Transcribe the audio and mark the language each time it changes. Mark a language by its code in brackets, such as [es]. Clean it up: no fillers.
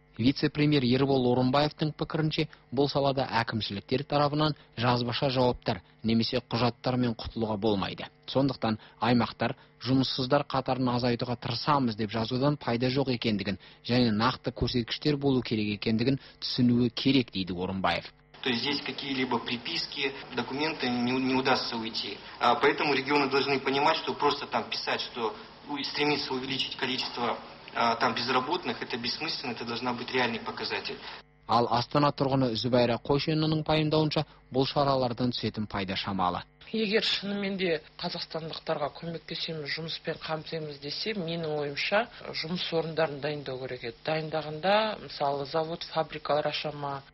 [kk] Вице-премьер Ербол Орынбаевтың пікірінше, бұл салада әкімшіліктер тарапынан жазбаша жауаптар немесе құжаттармен құтылуға болмайды. Сондықтан аймақтар жұмыссыздар қатарын азайтуға тырысамыз деп жазудан пайда жоқ екендігін және нақты көрсеткіштер болу керек екендігін түсінуі керек, дейді Орынбаев. [ru] То есть здесь какие-либо приписки, документы не удастся уйти. Поэтому регионы должны понимать, что просто там писать, что стремиться увеличить количество там безработных, это бессмысленно, это должна быть реальный показатель. [kk] Ал Астана тұрғыны Зубайра Қойшинаның пайымдауынша, бұл шаралардың түсетін пайда шамалы. Егер шынымен де қазақстандықтарға көмектесеміз, жұмыспен қамтимыз десе, менің ойымша жұмыс орындарын дайындау керек. Дайындағанда, мысалы, завод, фабрикалар ашама.